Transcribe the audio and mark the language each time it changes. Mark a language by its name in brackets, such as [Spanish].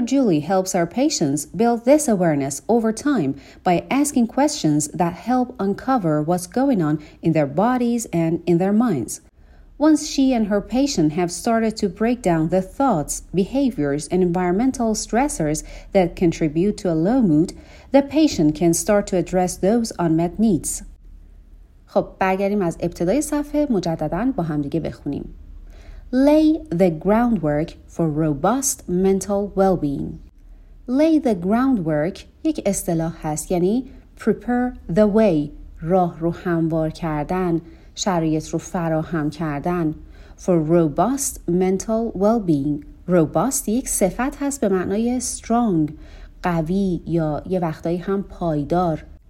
[English] Julie helps our patients build this awareness over time by asking questions that help uncover what's going on in their bodies and in their minds. Once she and her patient have started to break down the thoughts, behaviors, and environmental stressors that contribute to a low mood, the patient can start to address those unmet needs. [Persian] خب برگردیم از ابتدای صفحه مجدداً با هم دیگه بخونیم. [English] Lay the groundwork for robust mental well-being. Lay the groundwork [Persian] یک اصطلاح هست، یعنی [English] prepare the way، [Persian] راه رو هموار کردن، شرایط رو فراهم کردن. [English] For robust mental well-being. [Persian] Robust یک صفت هست به معنای strong، قوی، یا یه وقتایی هم پایدار.